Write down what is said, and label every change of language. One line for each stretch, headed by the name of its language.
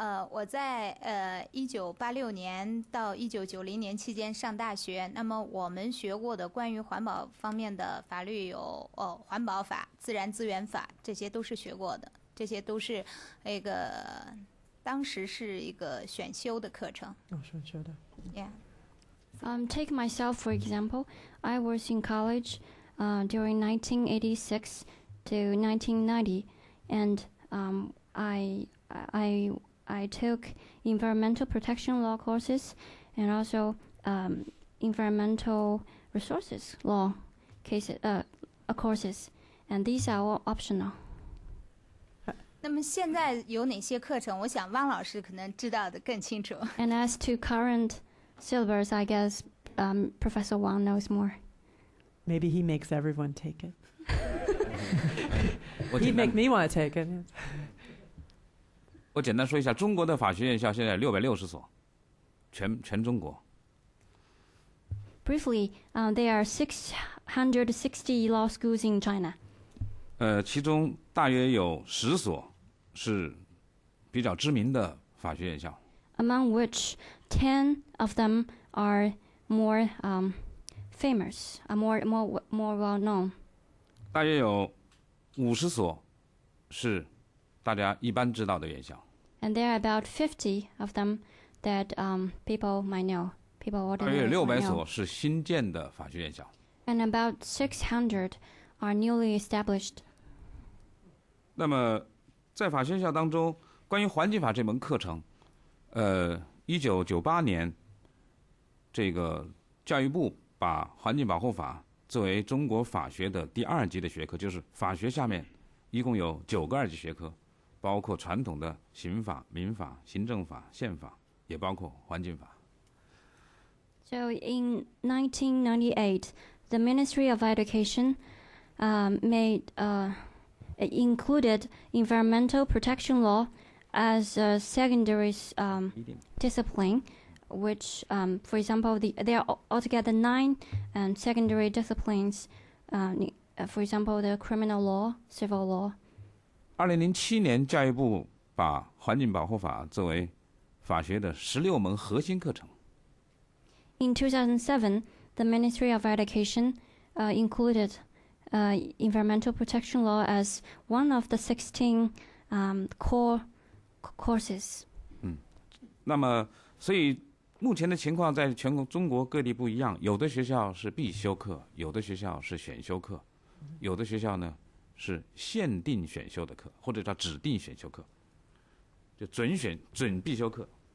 Chinese: 我在1986年到1990年期间上大学，那么我们学过的关于环保方面的法律有环保法、自然资源法，这些都是学过的，这些都是那个当时是一个选修的课程。选修的。
English: Yeah. Take myself for example. I was in college during 1986 to 1990 and I took environmental protection law courses and also environmental resources law courses, and these are all optional.
Chinese: 那么现在有哪些课程？我想汪老师可能知道的更清楚。
English: And as to current syllabus, I guess Professor Wang knows more. Maybe he makes everyone take it. He'd make me want to take it.
Chinese: 我简单说一下，中国的法学院校现在660所，全中国。
English: Briefly, there are 660 law schools in China.
Chinese: 其中大约有十所是比较知名的法学院校。
English: Among which 10 of them are more famous, are more well known.
Chinese: 大约有50所是大家一般知道的院校。
English: And there are about 50 of them that people might know. People ordinarily know.
Chinese: 600所是新建的法学院校。
English: And about 600 are newly established.
Chinese: 那么，在法学院校当中，关于环境法这门课程，1998年，这个教育部把环境保护法作为中国法学的第二级的学科，就是法学下面一共有九个二级学科。包括传统的刑法、民法、行政法、宪法，也包括环境法。
English: So in 1998, the Ministry of Education included environmental protection law as a secondary discipline, which, for example, there are altogether 9 secondary disciplines. For example, the criminal law, civil law.
Chinese: 2007年教育部把环境保护法作为法学的16门核心课程。
English: In 2007, the Ministry of Education included environmental protection law as one of the 16 core courses.
Chinese: 那么所以目前的情况在全国中国各地不一样，有的学校是必修课，有的学校是选修课，有的学校呢是限定选修的课，或者叫指定选修课，就准选准必修课，